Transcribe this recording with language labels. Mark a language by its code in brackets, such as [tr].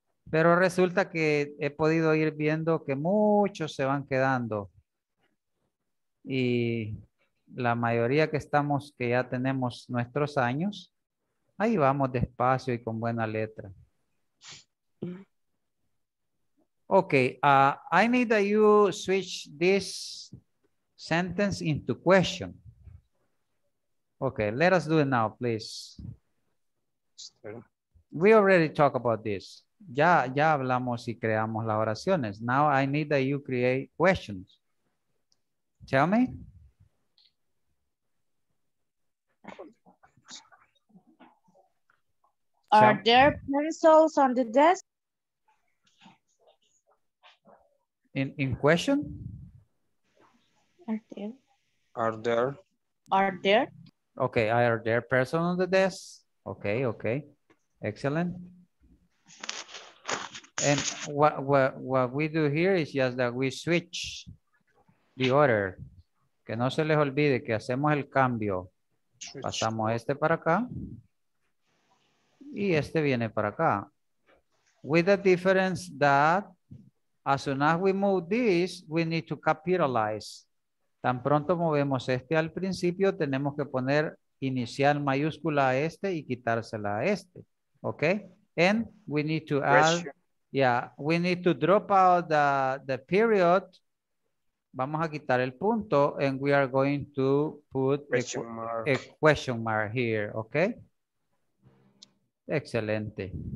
[es] Pero resulta que he podido ir viendo que muchos se van quedando. Y la mayoría que estamos, que ya tenemos nuestros años, ahí vamos despacio y con buena letra. [en] Ok, I need that you switch this sentence into question. Ok, let us do it now, please. We already talked about this. [es] Ya hablamos y creamos las oraciones. [en] Now I need that you create questions. Tell me. Are there pencils on the desk? In question? Are there? Okay, are there pencils on the desk? Okay, okay. Excellent. And what we do here is just that we switch the order. [es] Que no se les olvide que hacemos el cambio. Pasamos este para acá. Y este viene para acá. [en] With the difference that as soon as we move this, we need to capitalize. [es] Tan pronto movemos este al principio, tenemos que poner inicial mayúscula a este y quitársela a este. [en] Okay? And we need to add, yeah, we need to drop out the period. [es] Vamos a quitar el punto [en] and we are going to put a question mark here. Okay? Excelente.